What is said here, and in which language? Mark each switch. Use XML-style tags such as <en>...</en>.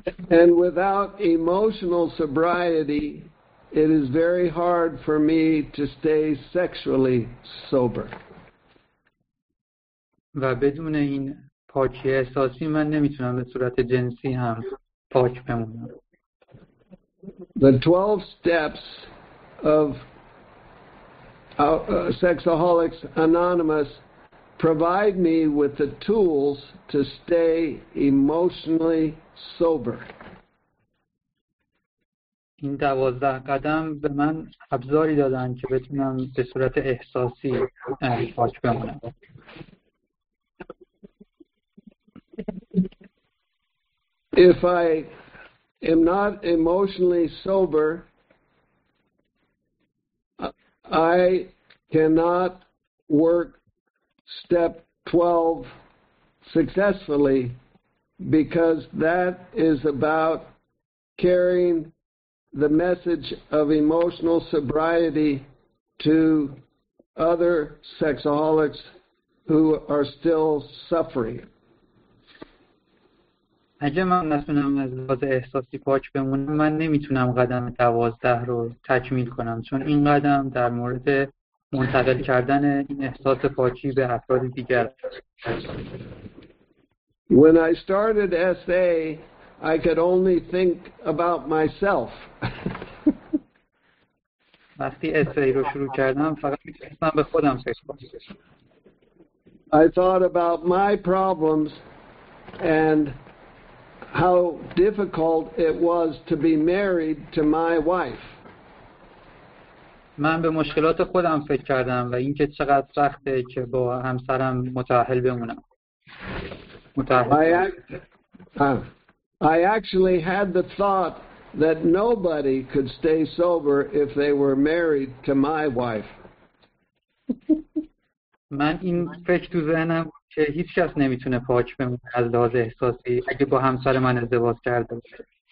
<en>And without emotional sobriety, it is very hard for me to stay sexually sober.</en> <fa>و بدون این پاکی احساسی من نمیتونم به صورت جنسی هم پاک بمونم.</fa> <en>The 12 steps of Sexaholics Anonymous provide me with the tools to stay emotionally sober.</en> <fa>این 12 قدم به من ابزاری دادن که بتونم به صورت احساسی پاک بمونم.</fa> <en>If I am not emotionally sober, I cannot work step 12 successfully because that is about carrying the message of emotional sobriety to other sexaholics who are still suffering.</en> <fa>اگه من نتونم از لحاظ احساسی پاک بمونم من نمیتونم قدم 12 رو تکمیل کنم چون این قدم در مورد منتقل کردن این احساس پاکی به افراد دیگر.</fa> <en>When I started SA, I could only think about myself.</en> <fa>وقتی SA رو شروع کردم فقط میتونستم به خودم فکر کنم.</fa> <en>I thought about my problems and how difficult it was to be married to my wife.</en> <fa>من به مشکلات خودم فکر کردم و اینکه چقدر سخته که با همسرم متأهل بمونم.</fa> <en>I actually had the thought that nobody could stay sober if they were married to my wife.</en> <fa>من این فکر تو ذهنم که هیچ کس نمیتونه پاک بمونه از لحاظ احساسی اگه با همسر من ازدواج کرده باشه.</fa>